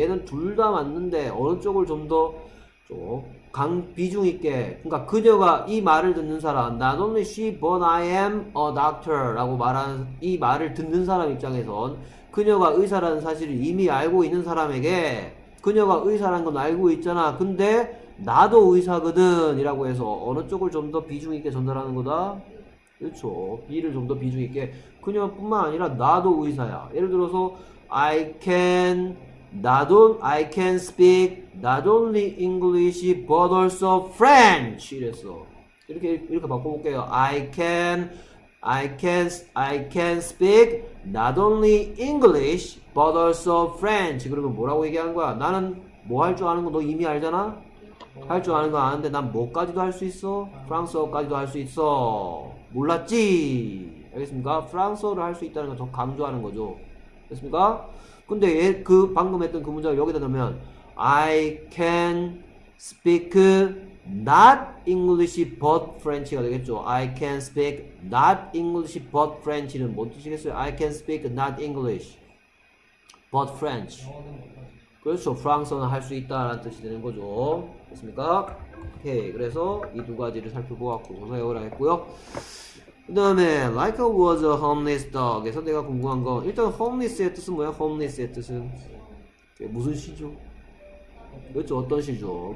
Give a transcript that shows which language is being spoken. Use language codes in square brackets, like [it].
[ko] 얘는 둘다 맞는데 어느 쪽을 좀더좀강 비중 있게 그러니까 그녀가 이 말을 듣는 사람 [en] Not only she but I am a doctor [ko] 라고 말하는 이 말을 듣는 사람 입장에선 그녀가 의사라는 사실을 이미 알고 있는 사람에게 그녀가 의사란 건 알고 있잖아. 근데 나도 의사거든. 이라고 해서 어느 쪽을 좀더 비중 있게 전달하는 거다? 그렇죠. B를 좀더 비중 있게. 그녀뿐만 아니라 나도 의사야. 예를 들어서 [en] I can speak not only English but also French. [ko] 이랬어. 이렇게 바꿔볼게요. [en] I can speak not only English but also French. [ko] 그러면 뭐라고 얘기하는 거야? 나는 뭐할줄 아는 거너 이미 알잖아? 할줄 아는 거 아는데 난 뭐까지도 할수 있어? 프랑스어까지도 할수 있어. 몰랐지? 알겠습니까? 프랑스어를 할수 있다는 걸더 강조하는 거죠. 알겠습니까? 근데 그 방금 했던 그 문장을 여기다 넣으면 [en] I can speak not English but French [ko] 가 되겠죠. [en] I can speak not English but French는 [ko] 뭔 뜻이겠어요? [en] I can speak not English but French. [ko] 그렇죠. 프랑스어는 할수 있다라는 뜻이 되는 거죠. 됐습니까? 오케이. 그래서 이두 가지를 살펴보았고, 고사해오라 했고요. 그 다음에, [en] like I was a homeless dog. [ko] 에서 내가 궁금한 건, 일단 homeless의 뜻은 뭐야? homeless의 뜻은? 그게 무슨 시죠? 그렇죠. 어떤 시죠?